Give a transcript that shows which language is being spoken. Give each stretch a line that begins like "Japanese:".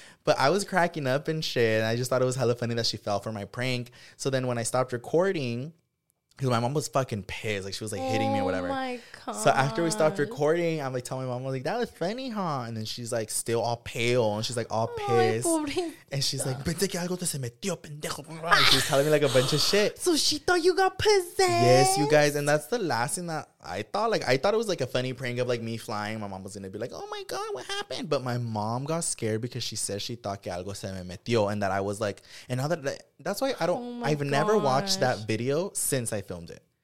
English: But I was cracking up and shit. And I just thought it was hella funny that she fell for my prank. So then when I stopped recording, because my mom was fucking pissed. Like, she was, like, hitting me or whatever. Oh, my God. So, after we stopped recording, I'm, like, telling my mom, I'm like, that was funny, huh? And then she's, like, still all pale. And she's, like, all pissed. And she's, like,
Spanish: pensé que algo te se metió, pendejo.
English: And she's telling me, like, a bunch of shit. So, she thought you got possessed. Yes, you guys. And that's the last thing that I thought. Like, I thought it was, like, a funny prank of, like, me flying. My mom was going to be, like, oh, my God, what happened? But my mom got scared because she said she thought
Spanish: que algo se me metió.
English: And that I was, like, and now that... That's why I don't, oh I've gosh. Never watched that video since I filmed it.